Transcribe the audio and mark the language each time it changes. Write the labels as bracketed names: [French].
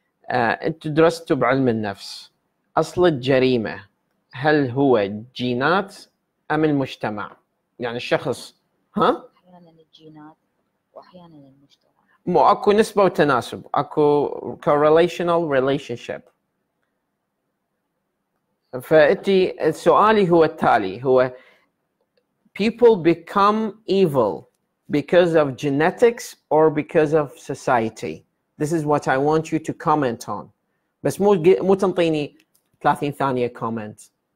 [Arabic] انت درست بعلم النفس اصل الجريمة هل هو جينات ام المجتمع؟ يعني الشخص ها؟ احيانا الجينات واحيانا المجتمع. مو اكو نسبة وتناسب، اكو correlational relationship. [English] فأتي سؤالي هو التالي، هو people become evil because of genetics or because of society. This is what I want you to comment on. [Arabic] بس مو تنطيني 30 ثانية comment.